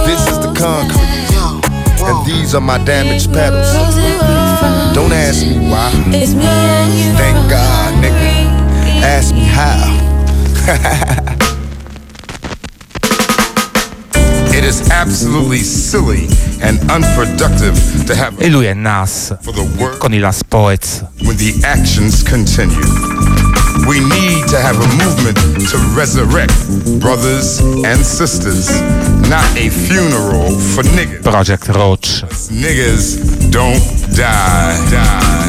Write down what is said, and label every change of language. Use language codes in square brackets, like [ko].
[en] This is the concrete. And these are my damaged petals. Don't ask me why. Thank God, nigga. Ask me how. It is absolutely silly and unproductive to have. [it] E lui è Nas for the work con I Last Poets. [en] When the actions continue, we need to have a movement to resurrect brothers and sisters, not a funeral for niggas. Project Roach. Niggas don't die. Yeah.